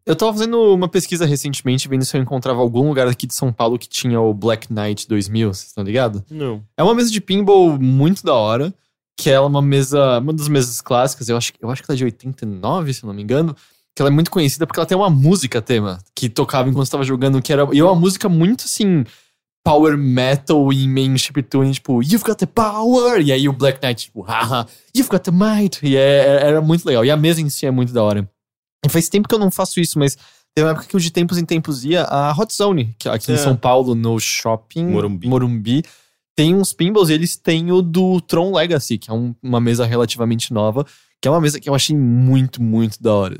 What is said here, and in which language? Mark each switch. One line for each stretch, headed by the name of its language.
Portuguese: Eu tava fazendo uma pesquisa recentemente, vendo se eu encontrava algum lugar aqui de São Paulo que tinha o Black Knight 2000, vocês estão ligados? Não. É uma mesa de pinball muito da hora, que ela é uma das mesas clássicas, eu acho que ela é de 89, se eu não me engano, que ela é muito conhecida porque ela tem uma música tema, que tocava enquanto estava jogando, que era... E é uma música muito, assim... Power Metal e main chiptune, tipo,
English: you've got the power!
Portuguese: E aí o Black Knight, tipo, haha,
English: you've got the might!
Portuguese: E era muito legal. E a mesa em si é muito da hora. E faz tempo que eu não faço isso, mas tem uma época que eu de tempos em tempos ia a Hot Zone, que aqui em São Paulo, no shopping Morumbi. Tem uns pinballs e eles têm o do Tron Legacy, que é uma mesa relativamente nova, que é uma mesa que eu achei muito, muito da hora.